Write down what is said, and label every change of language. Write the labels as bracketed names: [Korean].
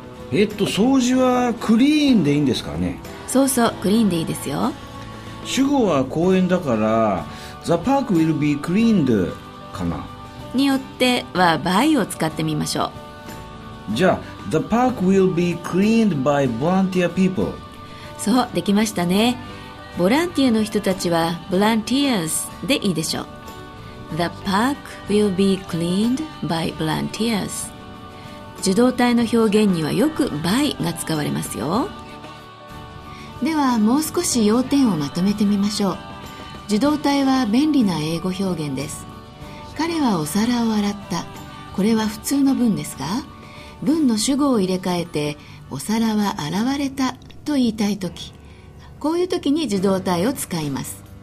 [Japanese] 掃除はクリーンでいいんですかね。そうそう、クリーンでいいですよ。主語は公園だから The park will be cleaned かな。によっては by を使ってみましょう。 [English] じゃあ The park will be cleaned by volunteer people。 [Japanese] そう、できましたね。ボランティアの人たちは volunteers でいいでしょう。 [English] The park will be cleaned by volunteers。 [Japanese] 受動態の表現にはよく by が使われますよ。ではもう少し要点をまとめてみましょう。受動態は便利な英語表現です。彼はお皿を洗った、これは普通の文ですが、文の主語を入れ替えてお皿は洗われたと言いたいとき、こういうときに受動態を使います。